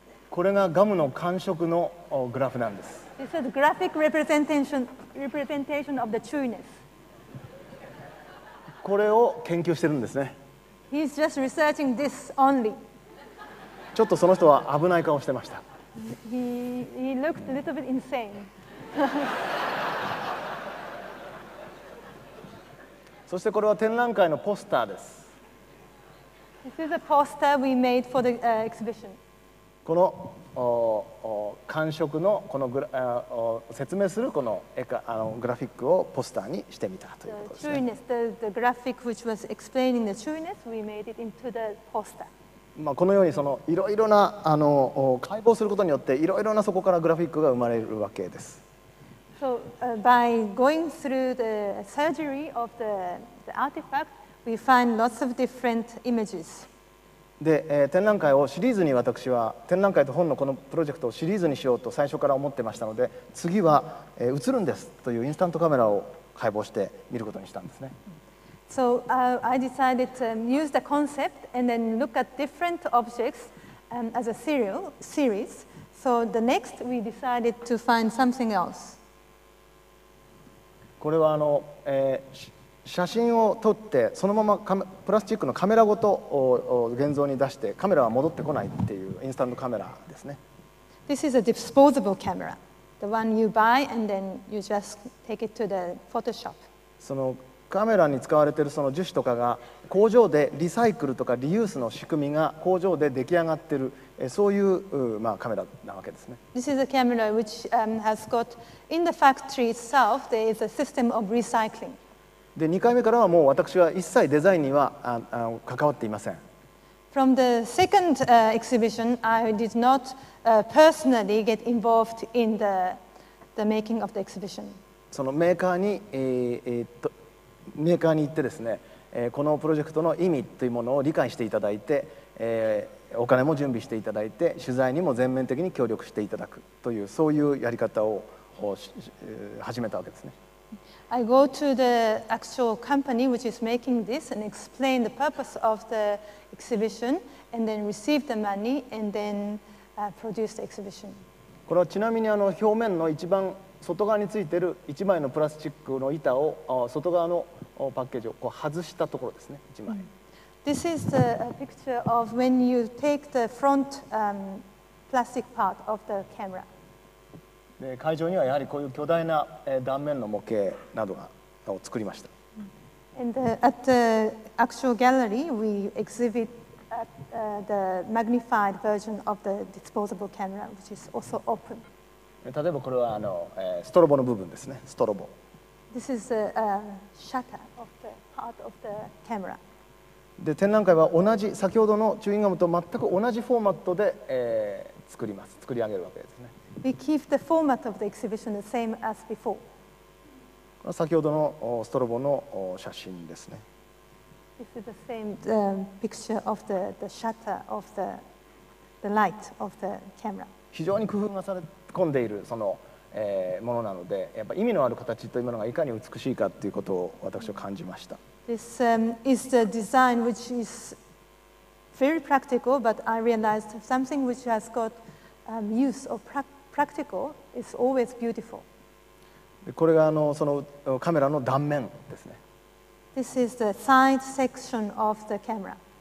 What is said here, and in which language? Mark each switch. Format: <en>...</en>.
<ja>これがガムの感触のグラフなんです。</ja> <en>This is a graphic representation of the chewiness.</en> <ja>これを研究してるんですね。</ja> <en>He's just researching this only.</en> <ja>ちょっとその人は危ない顔してました。</ja> <en>He looked a little bit insane.</en> <ja>そしてこれは展覧会のポスターです。</ja> <en>This is a poster we made for the exhibition.</en> <ja>この感触のこの説明するこの絵かあのグラフィックをポスターにしてみたということですね。</ja> <en>The chewiness, the graphic which was explaining the chewiness, we made it into the poster.</en> <ja>まあ、このようにそのいろいろなあの解剖することによっていろいろなそこからグラフィックが生まれるわけです。</ja> <en>So, by going through the surgery of the artifact, we find lots of different images.</en> <ja>で、展覧会をシリーズに私は展覧会と本のこのプロジェクトをシリーズにしようと最初から思ってましたので、次は、映るんですというインスタントカメラを解剖して見ることにしたんですね。</ja> <en>So, I decided to use the concept and then look at different objects, as a serial series. So, the next we decided to find something else.</en> <ja>これはあの、写真を撮ってそのままプラスチックのカメラごと現像に出してカメラは戻ってこないっていうインスタントカメラですね。</ja> <en>This is a disposable camera. The one you buy and then you just take it to the Photoshop.</en> <ja>そのカメラに使われているその樹脂とかが工場でリサイクルとかリユースの仕組みが工場で出来上がっているそういう、まあ、カメラなわけですね。</ja> <en>This is a camera which has got in the factory itself there is a system of recycling.</en> <ja>で2回目からはもう私は一切デザインには関わっていません。</ja> <en>From the second exhibition, I did not personally get involved in the making of the exhibition.</en> <ja>そのメーカーに、メーカーに行ってですね、このプロジェクトの意味というものを理解していただいて、お金も準備していただいて取材にも全面的に協力していただくというそういうやり方を始めたわけですね。</ja> <en>I go to the actual company which is making this and explain the purpose of the exhibition and then receive the money and then produce the exhibition.</en> <ja>これはちなみにあの表面の一番外側についている1枚のプラスチックの板を外側のパッケージをこう外したところですね、1枚。</ja> <en>This is the picture of when you take the front plastic part of the camera.</en> <ja>で会場にはやはりこういう巨大な断面の模型などを作りました。</ja> <en>And at the actual gallery, we exhibit the magnified version of the disposable camera, which is also open.</en> <ja>例えばこれはあのストロボの部分ですね、ストロボ。</ja> <en>This is the shutter of the part of the camera.</en> <ja>で展覧会は同じ先ほどのチューインガムと全く同じフォーマットで、作ります、作り上げるわけですね。</ja> <en>We keep the format of the exhibition the same as before.</en> <ja>これは先ほどのストロボの写真ですね。</ja> <en>This is the same picture of the shutter of the light of the camera.</en> <ja>非常に工夫がされ込んでいるその、ものなのでやっぱ意味のある形というものがいかに美しいかということを私は感じました。</ja> <en>This is the design which is very practical but I realized something which has got use of practical is always beautiful.</en> <ja>これがあのそのカメラの断面ですね。</ja> <en>This is the side section of the camera.</en>